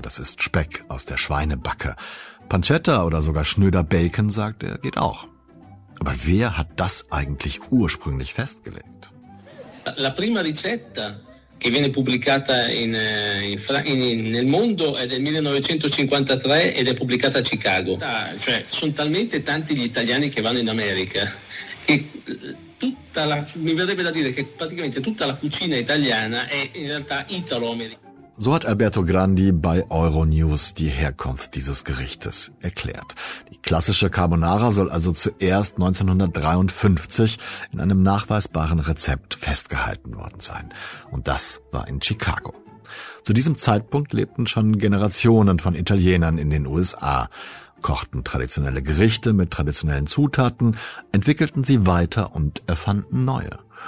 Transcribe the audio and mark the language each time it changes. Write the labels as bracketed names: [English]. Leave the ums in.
[German] Das ist Speck aus der Schweinebacke. Pancetta oder sogar schnöder Bacon, sagt er, geht auch. Aber wer hat das eigentlich ursprünglich festgelegt? [Italian] La prima ricetta che viene pubblicata in, eh, in Fra- in- in- nel mondo è del 1953 ed è pubblicata a Chicago. Ah, Cioè, sono talmente tanti gli italiani che vanno in America che eh, tutta la, mi verrebbe da dire che praticamente tutta la cucina italiana è in realtà italo-americana. [German] So hat Alberto Grandi bei Euronews die Herkunft dieses Gerichtes erklärt. Die klassische Carbonara soll also zuerst 1953 in einem nachweisbaren Rezept festgehalten worden sein. Und das war in Chicago. Zu diesem Zeitpunkt lebten schon Generationen von Italienern in den USA, kochten traditionelle Gerichte mit traditionellen Zutaten, entwickelten sie weiter und erfanden neue.